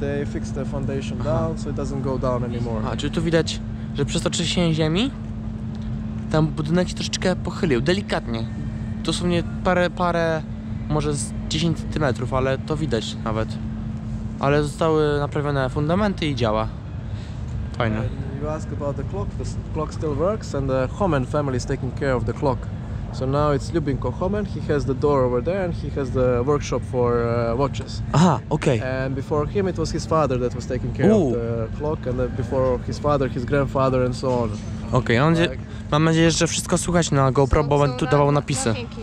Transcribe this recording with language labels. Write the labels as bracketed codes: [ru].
[en] They fixed the foundation down, so it doesn't go down anymore. [pl] A czy tu widać, że przez to trzęsienie ziemi ten budynek się troszeczkę pochylił, delikatnie. To są nie parę, może z 10 cm, ale to widać nawet. Ale zostały naprawione fundamenty i działa. Fajne. [en] You ask about the clock still works and the Homan family is taking care of the clock. So now it's Ljubinko Homan, he has the door over there and he has the workshop for watches. [pl] Aha, okay. [en] And before him it was his father that was taking care of the clock and before his father, his grandfather and so on. [pl] Okay, on like, mam nadzieję, że wszystko słychać na GoPro, bo będę tu dawał napisy.